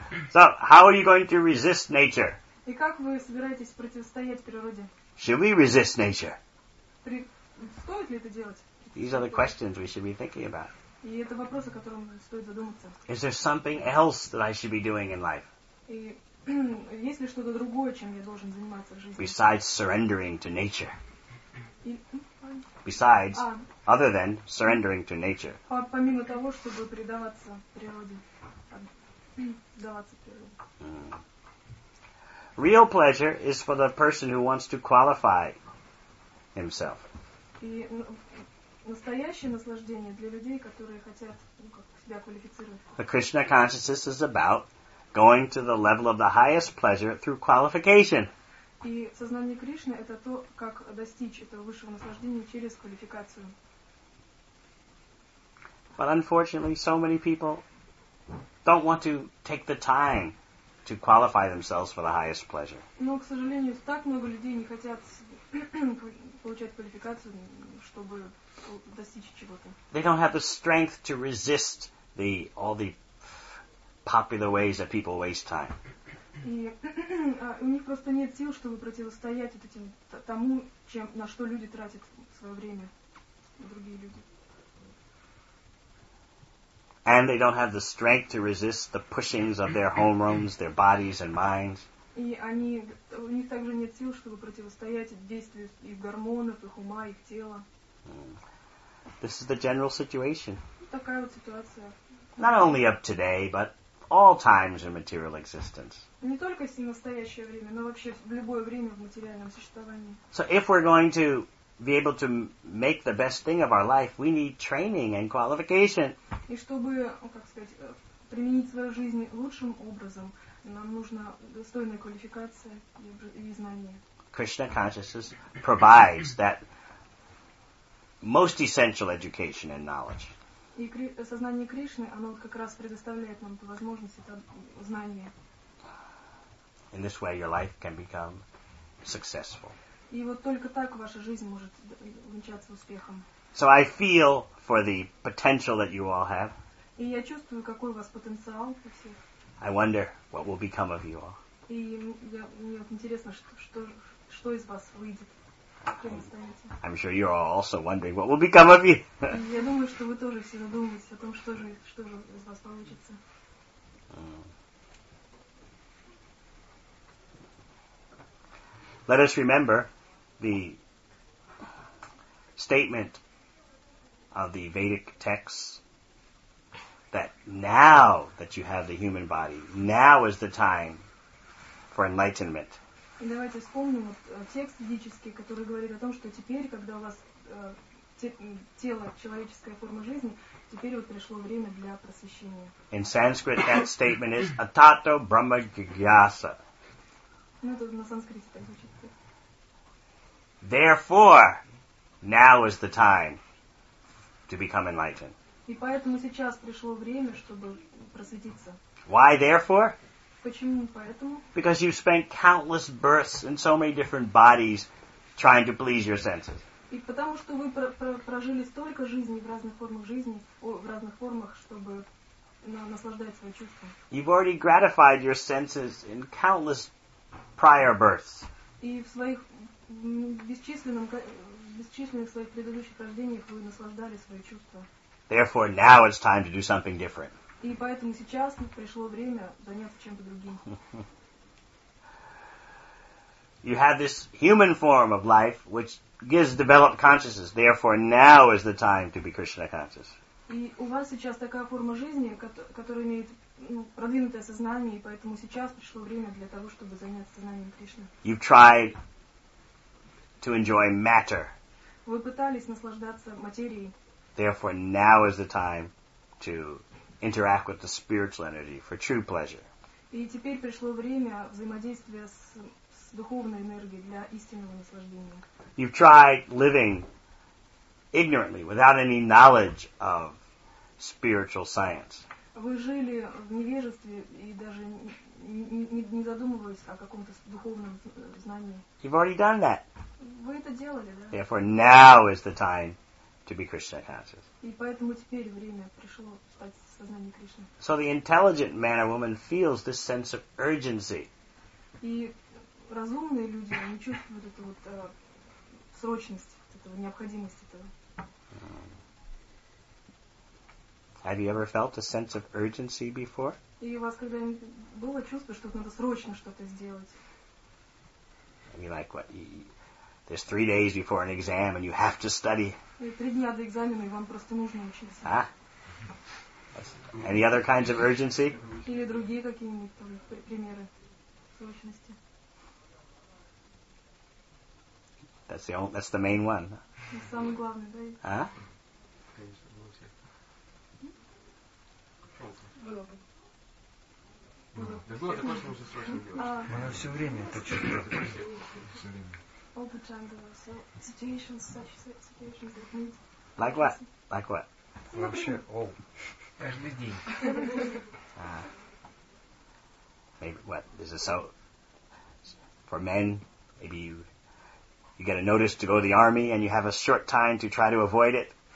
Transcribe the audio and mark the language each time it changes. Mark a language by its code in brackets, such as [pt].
[en] So, how are you going to resist nature? [ru] И как вы собираетесь противостоять природе? [en] Should we resist nature? [ru] Стоит ли это делать? [en] These are the questions we should be thinking about. [ru] И это вопросы, о которых стоит задуматься. [en] Is there something else that I should be doing in life? [ru] И есть ли что-то другое, чем я должен заниматься в жизни? [en] Besides surrendering to nature. Besides, other than surrendering to nature. [ru] Помимо того, чтобы предаваться природе. Предаваться природе. [en] Real pleasure is for the person who wants to qualify himself. [ru] И настоящее наслаждение для людей, которые хотят себя квалифицировать. [en] The Krishna consciousness is about going to the level of the highest pleasure through qualification. [ru] И сознание Кришны — это то, как достичь этого высшего наслаждения через квалификацию. [en] But unfortunately, so many people don't want to take the time to qualify themselves for the highest pleasure. [ru] Но, к сожалению, так много людей не хотят получать квалификацию, чтобы достичь чего-то. [en] They don't have the strength to resist the all the popular ways that people waste time. [ru] И у них просто нет сил, чтобы противостоять этим тому, чем на что люди тратят свое время, другие люди. [en] And they don't have the strength to resist the pushings of their homerooms, their bodies and minds. [ru] И они, у них также нет сил, чтобы противостоять действию их гормонов, их ума, их тела. [en] This is the general situation. [ru] Такая вот ситуация. [en] Not only of today, but all times in material existence. [ru] Не только в настоящее время, но вообще в любое время в материальном существовании. [en] So if we're going to be able to make the best thing of our life, we need training and qualification. [ru] И чтобы, как сказать, применить свою жизнь лучшим образом, нам нужна достойная квалификация и знания. [en] Krishna consciousness provides that most essential education and knowledge. [ru] И сознание Кришны, оно как раз предоставляет нам эту возможность, это знание. [en] In this way your life can become successful. [ru] И вот только так ваша жизнь может увенчаться успехом. [en] So I feel for the potential that you all have. [ru] И я чувствую, какой у вас потенциал у всех. [en] I wonder what will become of you all. [ru] И мне вот интересно, что из вас выйдет. [en] I'm sure you are also wondering what will become of you. [ru] Я думаю, что вы тоже все задумываетесь о том, что же из вас получится. [en] Let us remember the statement of the Vedic texts that now that you have the human body, now is the time for enlightenment. [ru] И давайте вспомним вот текст ведический, который говорит о том, что теперь, когда у вас тело, человеческая форма жизни, теперь вот пришло время для просвещения. [en] In Sanskrit, that statement is Atato Brahma Jigyasa. [ru] Ну, это на санскрите так звучит. [en] Therefore, now is the time to become enlightened. [ru] И поэтому сейчас пришло время, чтобы просветиться. [en] Why therefore? [ru] Почему поэтому? [en] Because you've spent countless births in so many different bodies trying to please your senses. [ru] И потому что вы прожили столько жизней в разных формах жизни, в разных формах, чтобы наслаждать свои чувства. [en] You've already gratified your senses in countless prior births. [ru] И в своих бесчисленных своих предыдущих рождениях вы наслаждали свои чувства. [en] Therefore, now it's time to do something different. [ru] И поэтому сейчас пришло время заняться чем-то другим. [en] You have this human form of life which gives developed consciousness. Therefore, now is the time to be Krishna conscious. [ru] И у вас сейчас такая форма жизни, которая имеет продвинутое сознание, и поэтому сейчас пришло время для того, чтобы заняться сознанием Кришны. [en] You've tried to enjoy matter. [ru] Вы пытались наслаждаться материей. [en] Therefore, now is the time to interact with the spiritual energy for true pleasure. [ru] И теперь пришло время взаимодействия с духовной энергией для истинного наслаждения. [en] You've tried living ignorantly, without any knowledge of spiritual science. [ru] Вы жили в невежестве и даже не задумывались о каком-то духовном знании. [en] You've already done that. [ru] Вы это делали, да? [en] Therefore, now is the time to be Krishna conscious. [ru] И поэтому теперь время пришло стать сознанием Кришны. [en] So the intelligent man or woman feels this sense of urgency. [ru] И разумные люди не чувствуют эту вот срочность, эту необходимость этого. [en] Have you ever felt a sense of urgency before? [ru] И у вас когда-нибудь было чувство, что надо срочно что-то сделать? [en] I mean, like what? There's 3 days before an exam and you have to study. [ru] И 3 дня до экзамена, и вам просто нужно учиться. [en] А? Any other kinds of urgency? [ru] Или другие какие-нибудь примеры срочности? [en] That's the main one. [ru] Самый главный, да? А? Да было такое, что нужно срочно делать. Мы на все время это чувствуем. [en] All the time, so situations, such situations that need. Like what? Like what? [ru] Вообще, [en] all. Every day. Maybe what? This is so. For men, maybe you get a notice to go to the army and you have a short time to try to avoid it.